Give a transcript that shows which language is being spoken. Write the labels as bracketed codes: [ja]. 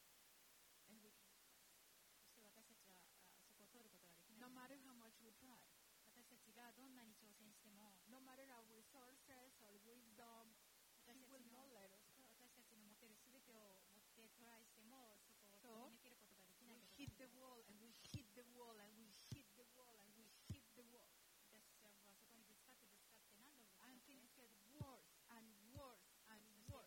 [ja] 私たちはそこを通ることができない。 [en] No matter how much we try, [ja] 私たちがどんなに挑戦しても、 [en] No matter our resources or wisdom, he will not let us. [ja] 私たちの持てるすべてを持ってトライしても、そこを突き抜けることができない。 [en] We hit the wall and we hit the wall and we hit the wall and we hit the wall. [ja] 私たちはそこにぶつかって何度もぶつかって。 [en] And things get worse and worse and worse.